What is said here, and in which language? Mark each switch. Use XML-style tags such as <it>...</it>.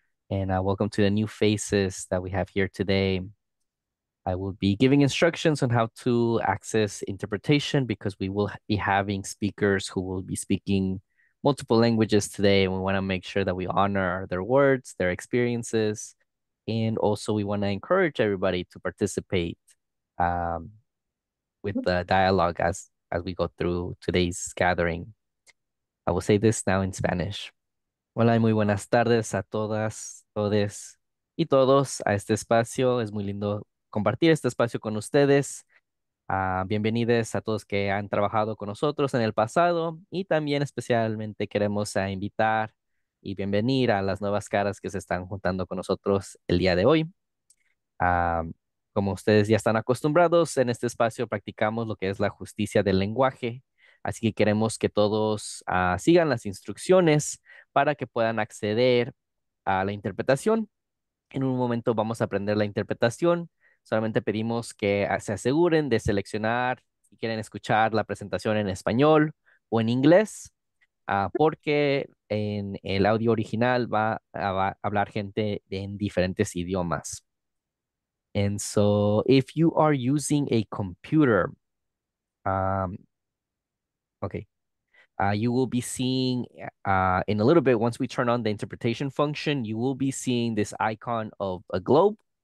<en>And welcome to the new faces that we have here today. I will be giving instructions on how to access interpretation because we will be having speakers who will be speaking multiple languages today, and we want to make sure that we honor their words, their experiences. And also, we want to encourage everybody to participate with the dialogue as we go through today's gathering. I will say this now in Spanish.</en> <es>Hola y muy buenas tardes a todas, todes y todos a este espacio. Es muy lindo compartir este espacio con ustedes. Bienvenidos a todos que han trabajado con nosotros en el pasado. Y también especialmente queremos invitar y bienvenir a las nuevas caras que se están juntando con nosotros el día de hoy. Como ustedes ya están acostumbrados, en este espacio practicamos lo que es la justicia del lenguaje. Así que queremos que todos sigan las instrucciones para que puedan acceder a la interpretación. En un momento vamos a aprender la interpretación. Solamente pedimos que se aseguren de seleccionar si quieren escuchar la presentación en español o en inglés. Porque en el audio original va a hablar gente en diferentes idiomas.</es> <en>And so, if you are using a computer, you will be seeing in a little bit, once we turn on the interpretation function, you will be seeing this icon of a globe.</en>